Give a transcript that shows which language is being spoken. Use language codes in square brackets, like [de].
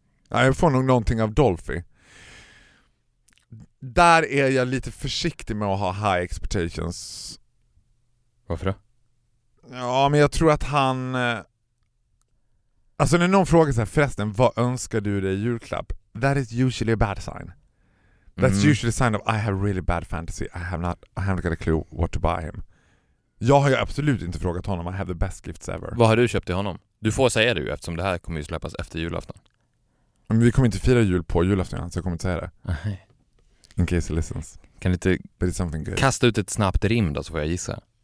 [sv] Nej, jag får nog någonting av Dolphy. Där är jag lite försiktig med att ha [en] high expectations. [sv] Varför då? Ja, men jag tror att han... Alltså när någon frågar så här, förresten, vad önskar du dig i julklapp? [en] That is usually a bad sign. That's usually a sign of I have really bad fantasy. I have not got a clue what to buy him. [sv] Jag har ju absolut inte frågat honom. [en] I have the best gifts ever. [sv] Vad har du köpt till honom? Du får säga det ju, eftersom det här kommer ju släppas efter julafton. Men vi kommer inte fira jul på julafton, så jag kommer inte säga det. Nej. [en] In case he listens. [sv] Kan du inte kasta ut ett snabbt rim då, så får jag gissa.